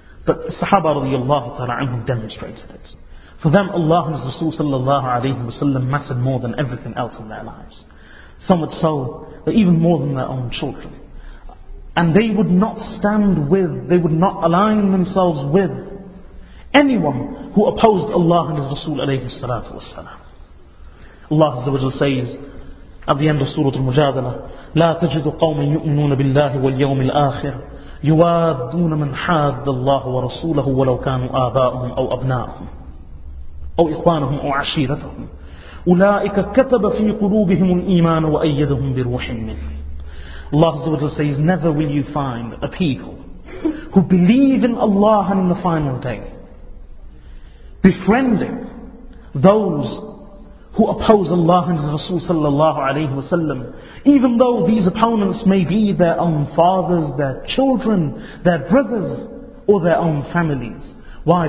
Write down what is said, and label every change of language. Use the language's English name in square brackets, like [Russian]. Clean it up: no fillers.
[English] But the Sahaba radiallahu ta'ala anhum demonstrated it. For them, Allah and His Rasul sallallahu alayhi wa sallam mattered more than everything else in their lives. Some would say even more than their own children. And they would not stand with, they would not align themselves with anyone who opposed Allah and His Rasul alayhi salatu wasalam. Allah Azza wa Jalla says at the end of Surah Al-Mujadala, [Arabic] لَا تَجِدُ قَوْمًا يُؤْمِنُونَ بِاللَّهِ وَالْيَوْمِ الْآخِرِ يُوَادُّونَ مَنْ حَادَّ اللَّهُ وَرَسُولَهُ وَلَوْ كَانُوا آبَاءُهُمْ أَوْ أَبْنَاءُهُمْ أَوْ إِخْوَانَهُمْ أَوْ عَشِيرَتَهُمْ أُولَٰئِكَ كَتَبَ فِي قُلُوبِهِمُ الْإِيمَانَ وَأَيَّدَهُمْ بِرُوحٍ مِّنْهُ. [English] Allah Azza wa Jalla says, never will you find a people who believe in Allah and in the final day, befriending those who oppose Allah and His Rasul sallallahu alayhi wa sallam, even though these opponents may be their own fathers, their children, their brothers, or their own families. Why?